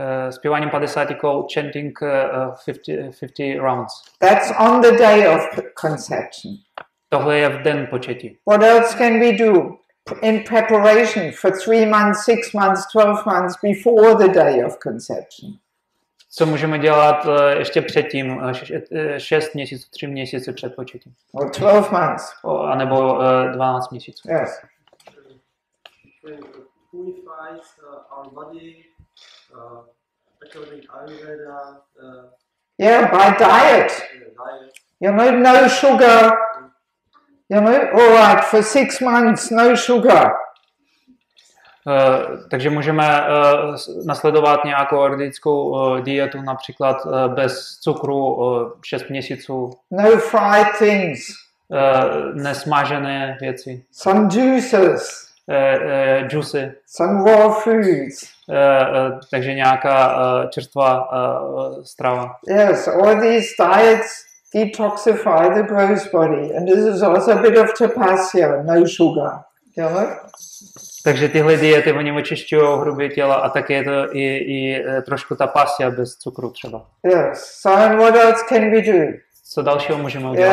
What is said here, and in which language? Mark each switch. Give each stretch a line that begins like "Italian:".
Czech: Zpíváním 50 kol,
English: chanting 50 rounds. That's on the day of conception.
Czech: Tohle je v den početí.
English: What else can we do in preparation for 3 months, 6 months, 12 months before the day of conception?
Czech: Co můžeme dělat ještě předtím, 6 měsíců, 3 měsíce před početím?
English: Or 12 months.
Czech: A nebo 12 měsíců.
English: Yes. Purifies our body, according to Ayurveda. Yeah, by diet. You know, no sugar. You know, all right, for 6 months, no sugar.
Czech: Takže můžeme nasledovat nějakou ayurvedickou dietu, například bez cukru 6 měsíců.
English: No fried things.
Czech: Nesmažené věci.
English: Some juices. Juicy. Some raw foods.
Czech: Takže nějaká čerstvá strava.
English: Yes, all these diets detoxify the gross body, and this is also a bit of tapasya, no sugar.
Czech: Takže tyhle diety, oni očišťují hrubé tělo a taky je to i trošku tapasya bez cukru třeba.
English: Yes. So and what else can we do?
Czech: Co dalšího můžeme udělat?